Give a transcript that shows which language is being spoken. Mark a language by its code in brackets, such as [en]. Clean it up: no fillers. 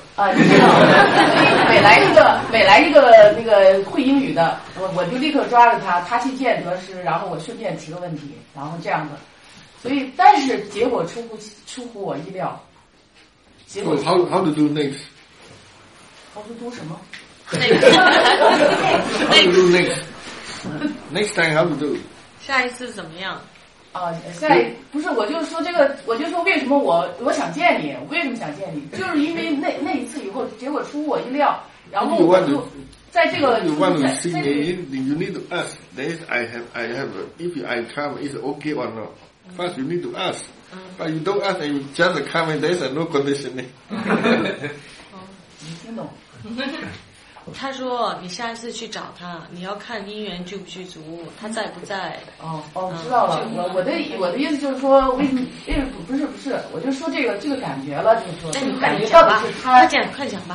[zh] 啊，你知道每来一个那个会英语的，我就立刻抓着他去见德师，然后我顺便提个问题，然后这样子。所以但是结果出乎我意料，结果 [en] how to do next how to do [zh] 什么 [en] how to do next time how to do [zh] 下一次怎么样啊，下一不是，我就说这个，我就说为什么我想见你，为什么想见你，就是因为那一次以后结果出乎我意料，然后我就在这个 [en] you want to see me you need to ask then I have if I come is okay or not first you need to ask but you don't ask and you just come and there's a no conditioning [zh] 你听懂他说你下次去找他你要看姻缘具不具足他在不在知道了，我的意思就是说不是我就说这个感觉了，就是说那你感觉到底是他快讲快讲吧，